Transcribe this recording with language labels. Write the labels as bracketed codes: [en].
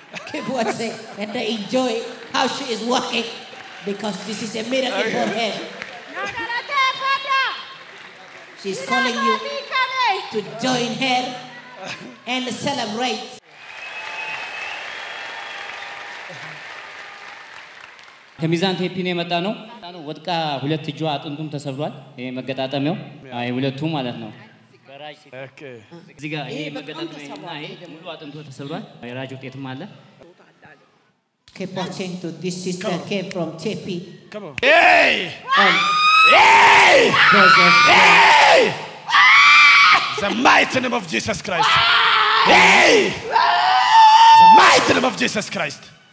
[en] Keep watching and enjoy how she is walking because this is a miracle for her. Nagarate fada. She's calling you to join her and celebrate. [am] ከሚዛን ቴፒ ነው የመጣነው ታኑ ወድቃ ሁለት እጁ አጥንቱም ተሰብሯል ይሄ መገጣጠሚያው አይ ሁለቱ ማለት ነው ራጅ ኦኬ እዚህ ጋር ይሄ መገጣጠሚያውና ይሄ ሙሉ አጥንቱ ተሰብሯል ራጅ ውጤትም አለ [en] ከፖቼንቶ this sister came from ቴፒ come on hey hey hey the mighty name of Jesus Christ hey the mighty name of Jesus Christ